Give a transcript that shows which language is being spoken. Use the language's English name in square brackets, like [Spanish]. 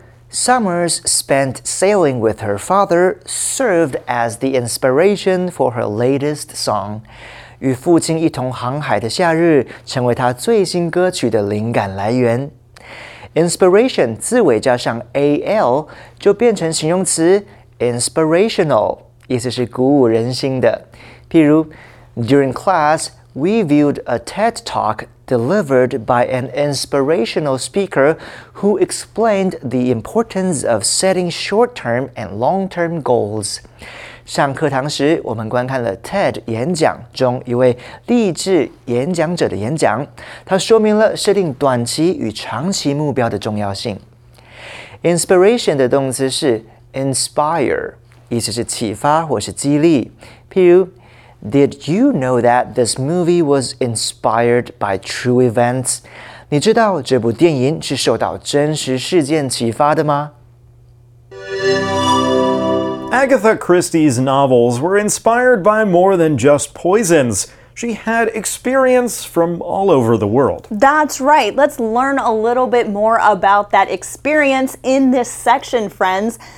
[English] Summers spent sailing with her father served as the inspiration for her latest song. [Chinese] 与父亲一同航海的夏日成为她最新歌曲的灵感来源。 Inspiration 字尾加上 al 就变成形容词 inspirational， 意思是鼓舞人心的。譬如 [English] During class, we viewed a TED talk delivered by an inspirational speaker who explained the importance of setting short-term and long-term goals. [Chinese] 上课堂时，我们观看了 TED 演讲中一位励志演讲者的演讲，他说明了设定短期与长期目标的重要性。 Inspiration 的动词是 inspire， 意思是启发或是激励。 [English] 譬如 ，Did you know that this movie was inspired by true events？ [Chinese] 你知道这部电影是受到真实事件启发的吗？ [English] Agatha Christie's novels were inspired by more than just poisons. She had experience from all over the world. That's right. Let's learn a little bit more about that experience in this section, friends.